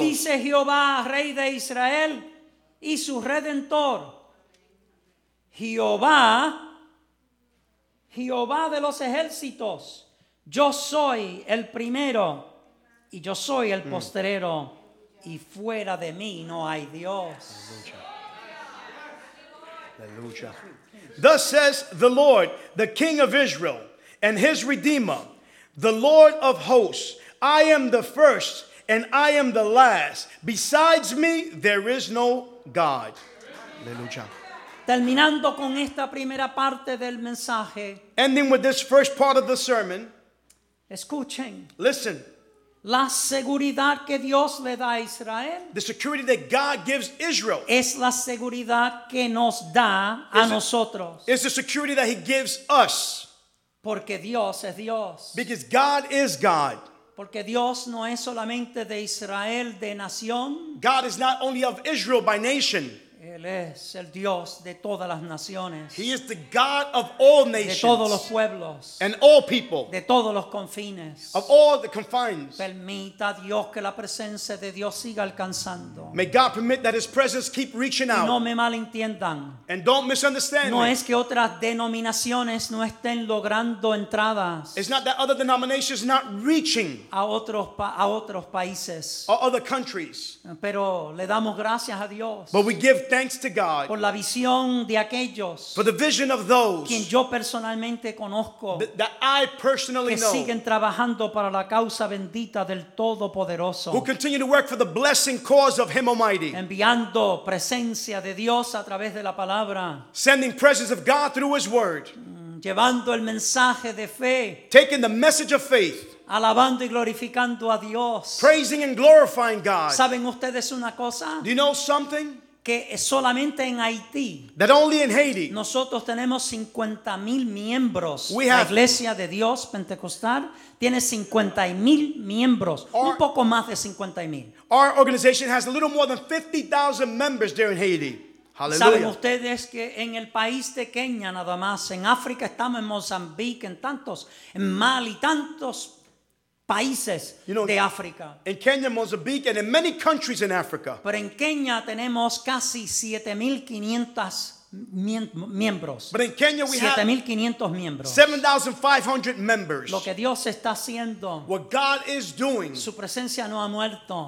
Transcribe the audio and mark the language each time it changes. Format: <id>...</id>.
<es>Así dice Jehová, Rey de Israel y su Redentor. Jehová, Jehová de los ejércitos. Yo soy el primero y yo soy el postrero. Y fuera de mí no hay Dios.</es> <en>Hallelujah. Thus says the Lord, the King of Israel and his Redeemer, the Lord of hosts, I am the first and I am the last. Besides me, there is no God. Hallelujah.</en> <es>Terminando con esta primera parte del mensaje.</es> <en>Ending with this first part of the sermon.</en> <es>Escuchen.</es> <en>Listen.</en> <es>La seguridad que Dios le da a Israel.</es> <en>The security that God gives Israel.</en> <es>Es la seguridad que nos da a nosotros.</es> <en>It's the security that he gives us.</en> <es>Porque Dios es Dios.</es> <en>Because God is God.</en> <es>Porque Dios no es solamente de Israel de nación.</es> <en>God is not only of Israel by nation.</en> <es>Él es el Dios de todas las naciones.</es> <en>He is the God of all nations.</en> <es>De todos los pueblos.</es> <en>And all people.</en> <es>De todos los confines.</es> <en>Of all the confines.</en> <es>Permita Dios que la presencia de Dios siga alcanzando.</es> <en>May God permit that his presence keep reaching out.</en> <es>No me malentiendan.</es> <en>And don't misunderstand</en> <es>no</es> <en>me.</en> <es>No es que otras denominaciones no estén logrando entradas.</es> <en>It's not that other denominations not reaching.</en> <es>A otros países.</es> <en>Or other countries.</en> <es>Pero le damos gracias a Dios.</es> <en>But we give thanks to God</en> <es>por la visión de aquellos</es> <en>for the vision of those</en> <es>quien yo personalmente conozco</es> <en>that I personally</en> <es>que</es> <en>know</en> <es>siguen trabajando para la causa bendita del Todopoderoso</es> <en>who continue to work for the blessing cause of Him Almighty</en> <es>enviando presencia de Dios a través de la palabra</es> <en>sending presence of God through His Word</en> <es>llevando el mensaje de fe</es> <en>taking the message of faith</en> <es>alabando y glorificando a Dios</es> <en>praising and glorifying God</en> <es>¿saben ustedes una cosa?</es> <en>Do you know something?</en> <es>Que solamente en Haití,</es> <en>that only in Haiti</en> <es>nosotros tenemos 50,000 miembros la Iglesia de Dios Pentecostal tiene 50,000 miembros un poco más de 50,000</es> <en>our organization has a little more than 50,000 members there in Haiti. Hallelujah.</en> <es>Saben ustedes que en el país de Kenia nada más en África estamos en Mozambique en tantos en Mali tantos países</es> <en>you know,</en> <es>de África.</es> <en>In Kenya, Mozambique, and in many countries in Africa.</en> <es>Pero en Kenia tenemos casi 7,500 miembros.</es> <en>But in Kenya we</en> <es>7,500 miembros.</es> <en>7,500 members.</en> <es>Lo que Dios está haciendo.</es> <en>What God is doing.</en> <es>Su presencia no ha muerto.</es>